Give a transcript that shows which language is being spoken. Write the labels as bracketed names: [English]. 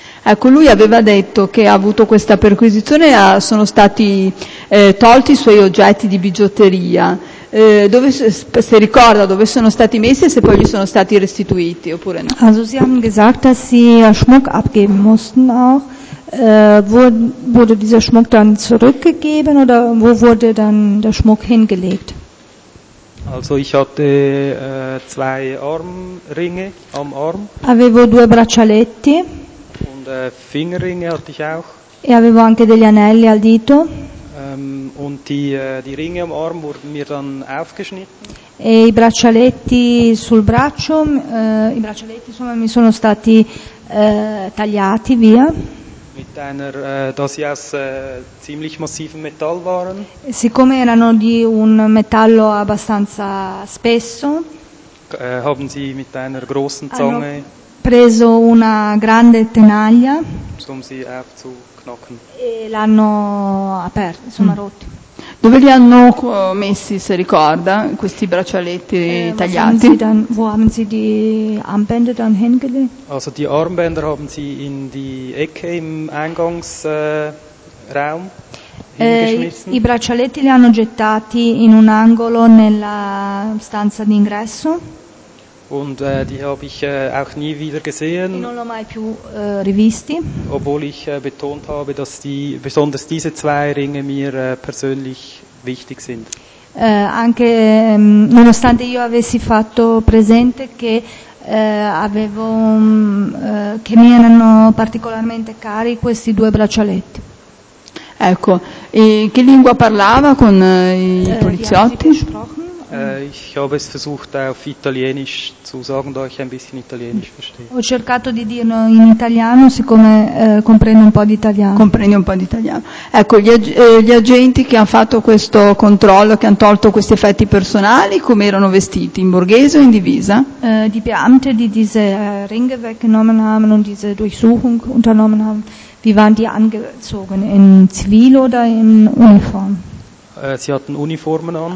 [Italian] Ecco, lui aveva detto che ha avuto questa perquisizione, sono stati tolti i suoi oggetti di bigiotteria. Se ricorda dove sono stati messi e se poi gli sono stati restituiti oppure no? [German] Also sie haben gesagt, dass sie Schmuck abgeben mussten auch. Wurde dieser Schmuck dann zurückgegeben oder wo wurde dann der Schmuck hingelegt? Also ich hatte zwei Armringe am Arm. [Italian] Avevo due braccialetti. [German] Und Fingerringe hatte ich auch. [Italian] E avevo anche degli anelli al dito. [German] Und die Ringe am Arm wurden mir dann aufgeschnitten. [Italian] E i braccialetti sul braccio, i braccialetti insomma mi sono stati tagliati via. [German] Mit einer Dosias ziemlich massiven Metall waren. [Italian] E siccome erano di un metallo abbastanza spesso. [German] Haben sie mit einer großen Zange. [Italian] Preso una grande tenaglia. [German] Um sie aufzu [Italian] e l'hanno aperto, insomma rotti. Dove li hanno messi, se ricorda, questi braccialetti tagliati? [German] Wo haben Sie die Armbänder dann hingelegt? Also die Armbänder haben Sie in die Ecke im Eingangsraum hingeschmissen? [Italian] I braccialetti li hanno gettati in un angolo nella stanza d'ingresso. [German] Und die habe ich auch nie wieder gesehen. [Italian] Non l'ho mai più rivisti. [German] Obwohl ich betont habe, dass die besonders diese zwei Ringe mir persönlich wichtig sind. [Italian] Anche nonostante io avessi fatto presente che avevo che mi erano particolarmente cari questi due braccialetti. Ecco, e che lingua parlava con i poliziotti? [German] Ich habe es versucht auf Italienisch zu sagen, da ich ein bisschen Italienisch verstehe. [Italian] Ho cercato di dirlo in italiano, siccome comprendo un po' di italiano. Comprendi un po' di italiano. Ecco, gli agenti che hanno fatto questo controllo, che hanno tolto questi effetti personali, come erano vestiti? In borghese o in divisa? [German] Die Beamte, die diese Ringe weggenommen haben und diese Durchsuchung unternommen haben, wie waren die angezogen? In Zivil oder in Uniform? Sie hatten Uniformen an.